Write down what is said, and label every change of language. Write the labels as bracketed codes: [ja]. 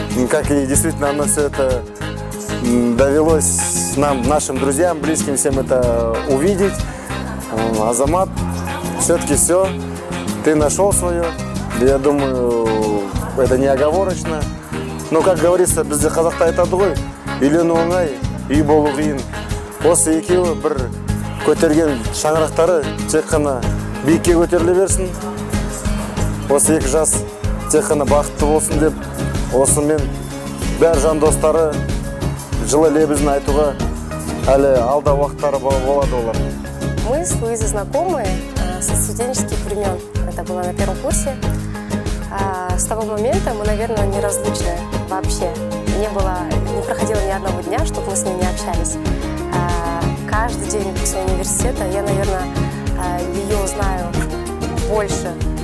[ru] Как и действительно оно все это довелось нам, нашим друзьям, близким всем это увидеть. Азамат, все-таки все, ты нашел свое. Я думаю, это не оговорочно. Но, как говорится, [kk] бізде қазақта айтады ғой, үйлену оңай, үй болу қиын. Осы екеуі бір көтерген шаңырақтары тек қана биікке көтеріле берсін. Осы екі жас тек қана бақытты болсын деп, осымен бәр жан достары жылы лебізін айтуға әлі алда уақыттары болады олар. [ru] Мы с Луизой знакомы со студенческих времен. Это было на первом курсе. С того момента мы, наверное, неразлучны вообще. Не было, не проходило ни одного дня, чтобы мы с ним не общались. Каждый день после университета я, наверное, ее знаю больше.